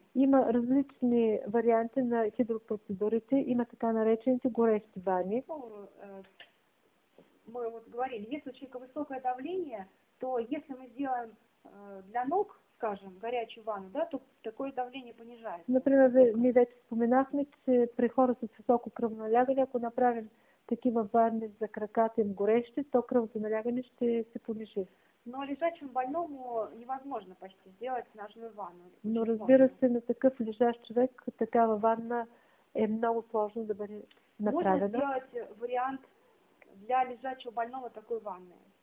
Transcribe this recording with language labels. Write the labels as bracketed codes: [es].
[bg] Има различни варианти на хидропроцедурите, има така наречените горещи ванни. [ru] Мы вот говорили, если у человека высокое давление, то если мы сделаем для ног, скажем, горячую ванну, да, то такое давление понижается. [bg] Например, ми вече споменахме, че при хора с високо кръвно налягане, ако направим такива ванни за краката им горещи, то кръвното налягане ще се понижи. [ru] Но лежачему больному невозможно почти сделать снажную ванну. [bg] Но разбира се, на такъв лежащ човек такава ванна е много сложно да бъде направена. [ru] Можно сделать вариант для лежачего больного такой ванны.